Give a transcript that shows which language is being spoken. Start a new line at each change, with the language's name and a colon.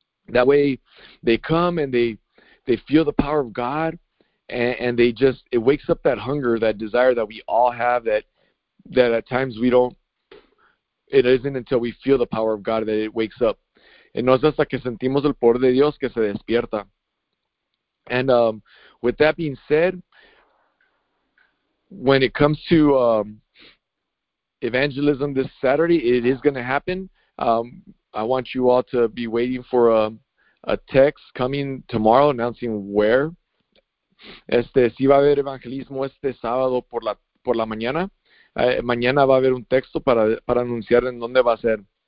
English: That way they come and they feel the power of God, and they just it wakes up that hunger, that desire that we all have, that at times we don't, it isn't until we feel the power of God that it wakes up.
Spanish: Y no es hasta que sentimos el poder de Dios que se despierta.
English: And with that being said, when it comes to evangelism this Saturday, it is going to happen. I want you all to be waiting for a text coming tomorrow announcing where.
Spanish: Sí va a haber evangelismo este sábado por la mañana. Mañana va a haber un texto para anunciar en dónde va a ser.